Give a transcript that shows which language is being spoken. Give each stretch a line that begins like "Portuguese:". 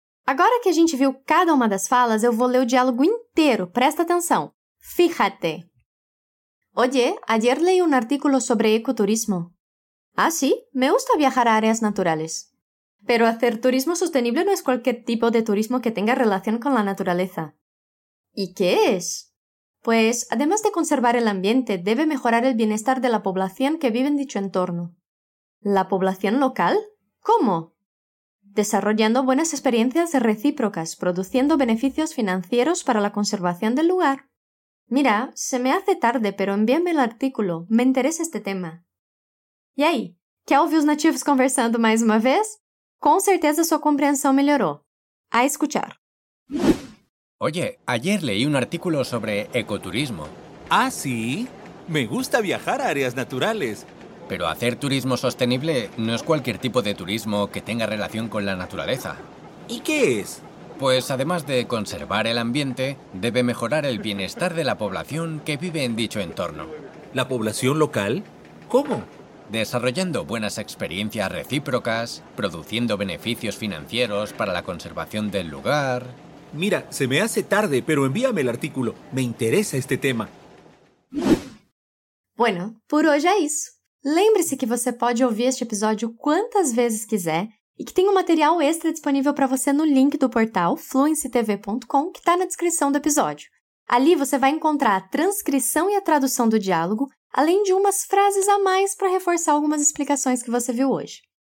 Portuguese: Agora que a gente viu cada uma das falas, eu vou ler o diálogo inteiro. Presta atenção. Fíjate.
Spanish: Oye, ayer leí un artículo sobre ecoturismo. Ah, sí, me gusta viajar a áreas naturales. Pero hacer turismo sostenible no es cualquier tipo de turismo que tenga relación con la naturaleza. ¿Y qué es? Pues, además de conservar el ambiente, debe mejorar el bienestar de la población que vive en dicho entorno. ¿La población local? ¿Cómo? Desarrollando buenas experiencias recíprocas, produciendo beneficios financieros para la conservación del lugar. Mira, se me hace tarde, pero envíame el artículo. Me interesa este tema.
Portuguese: E aí, quer ouvir os nativos conversando mais uma vez? Com certeza sua compreensão melhorou.
Spanish: A escuchar. Oye, ayer leí un artículo sobre ecoturismo. Ah, sí. Me gusta viajar a áreas naturales. Pero hacer turismo sostenible no es cualquier tipo de turismo que tenga relación con la naturaleza. ¿Y qué es? Pues además de conservar el ambiente, debe mejorar el bienestar de la población que vive en dicho entorno. ¿La población local? ¿Cómo? Desarrollando buenas experiencias recíprocas, produciendo beneficios financieros para la conservación del lugar. Mira, se me hace tarde, pero envíame el artículo. Me interesa este tema. Bueno, por hoy es eso.
Portuguese: Lembre-se que você pode ouvir este episódio quantas vezes quiser e que tem um material extra disponível para você no link do portal fluencytv.com que está na descrição do episódio. Ali você vai encontrar a transcrição e a tradução do diálogo, além de umas frases a mais para reforçar algumas explicações que você viu hoje.